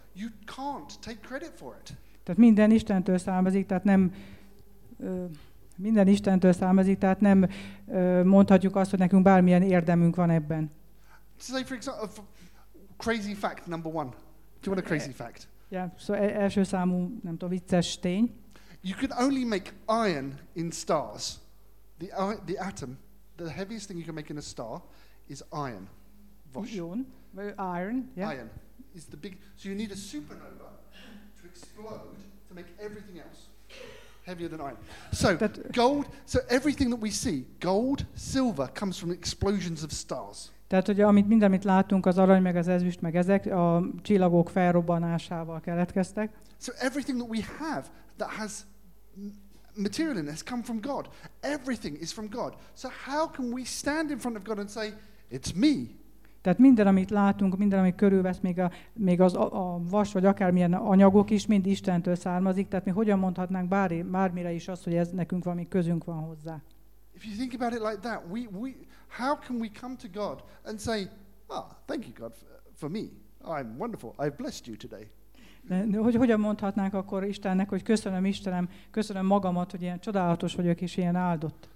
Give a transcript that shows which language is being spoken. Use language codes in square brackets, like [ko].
[en] You can't take credit for it. [hu] Tehát minden Istentől származik, tehát nem Minden Istentől származik, tehát nem mondhatjuk azt, hogy nekünk bármilyen érdemünk van ebben. [en] Say for example, crazy fact number one. Do you want a crazy fact? Yeah, so [hu] első számú, nem tudom, vicces tény. [en] You can only make iron in stars. The atom, the heaviest thing you can make in a star is iron. Vos. Ion, iron, yeah. Iron is the big, so you need a supernova to explode to make everything else heavier than iron. So that, gold, so everything that we see, gold, silver, comes from explosions of stars. [hu] Tehát, hogy amit mindamit látunk, az arany, meg az ezüst, meg ezek a csillagok felrobbanásával keletkeztek. [en] So everything that we have that has material in it has come from God. Everything is from God. So how can we stand in front of God and say, it's me? [hu] Tehát minden, amit látunk, minden, amit körülvesz, még az a vas, vagy akármilyen anyagok is, mind Istentől származik. Tehát mi hogyan mondhatnánk bármire is azt, hogy ez nekünk valami közünk van hozzá? [en] If you think about it like that, we how can we come to God and say, ah, thank you God for me. I'm wonderful. I've blessed you today. [hu] Hogyan mondhatnánk akkor Istennek, hogy köszönöm Istenem, köszönöm magamat, hogy ilyen csodálatos vagyok és ilyen áldott.